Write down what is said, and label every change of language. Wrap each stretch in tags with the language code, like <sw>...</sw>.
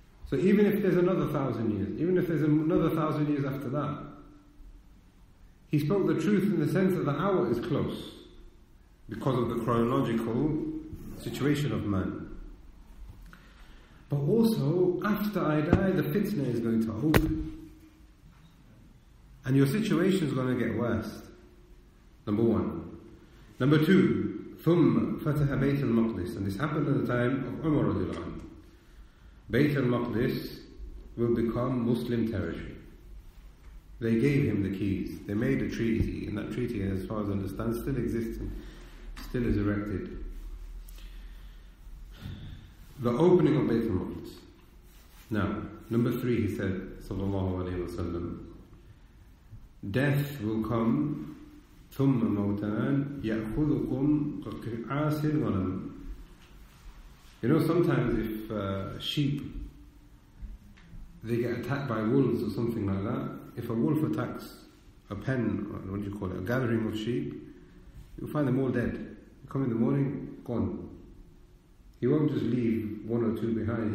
<en>So even if there's another 1,000 years, even if there's another 1,000 years after that, he spoke the truth in the sense that the hour is close because of the chronological situation of man. But also, after I die, the fitna is going to open. And your situation is going to get worse. Number 1. Number 2,</en> <ar>ثم فتح بيت المقدس.</ar> <en>And this happened at the time of Umar رضي الله عنه. Bayt al-Maqdis will become Muslim territory. They gave him the keys. They made a treaty, and that treaty, as far as I understand, still exists and still is erected. The opening of Bayt al-Maqdis. Now, number 3, he said, sallallahu alayhi wa sallam, death will come.</en> <ar>ثم موتان يأخذكم قعاس الغنم.</ar> <en>You know, sometimes if sheep, they get attacked by wolves or something like that, if a wolf attacks a pen, or what do you call it, a gathering of sheep, you'll find them all dead. You come in the morning, gone. He won't just leave one or two behind.</en>